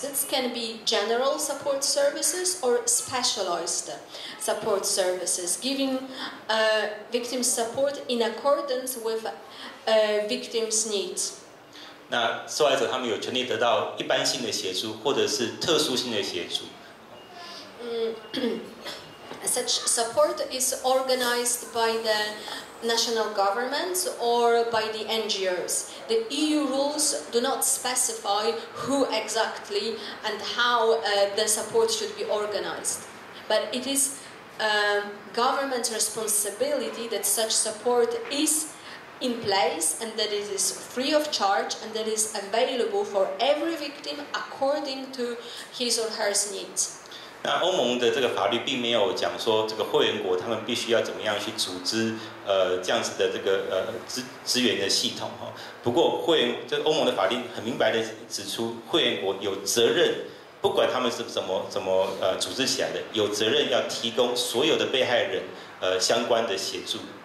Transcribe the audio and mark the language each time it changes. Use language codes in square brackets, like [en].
[en] This can be general support services or specialized support services, giving victims support in accordance with victims' needs. [zh] 那受害者他们有权利得到一般性的协助，或者是特殊性的协助。 [en] Such support is organized by the national governments or by the NGOs. The EU rules do not specify who exactly and how the support should be organized. But it is government's responsibility that such support is in place and that it is free of charge and that it is available for every victim according to his or her needs. [zh] 那欧盟的这个法律并没有讲说这个会员国他们必须要怎么样去组织这样子的这个资源的系统哈。不过欧盟的法律很明白的指出，会员国有责任，不管他们是怎么组织起来的，有责任要提供所有的被害人相关的协助。